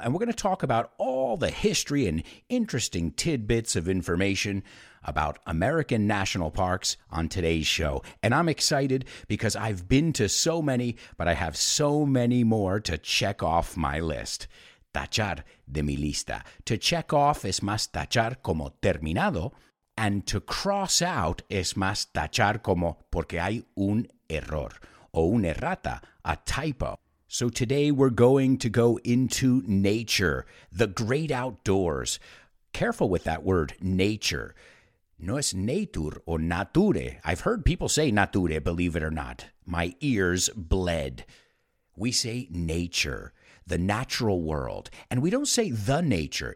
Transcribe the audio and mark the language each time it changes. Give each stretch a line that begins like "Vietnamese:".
English: And we're going to talk about all the history and interesting tidbits of information about American national parks on today's show. And I'm excited because I've been to so many, but I have so many more to check off my list.
Spanish: Tachar de mi lista.
English: To check off
Spanish: es más tachar como terminado,
English: and to cross out
Spanish: es más tachar como porque hay un error o una errata,
English: a typo. So today we're going to go into nature, the great outdoors. Careful with that word, nature.
Spanish: No es
English: nature o nature. I've heard people say nature, believe it or not. My ears bled. We say nature, the natural world. And we don't say the nature.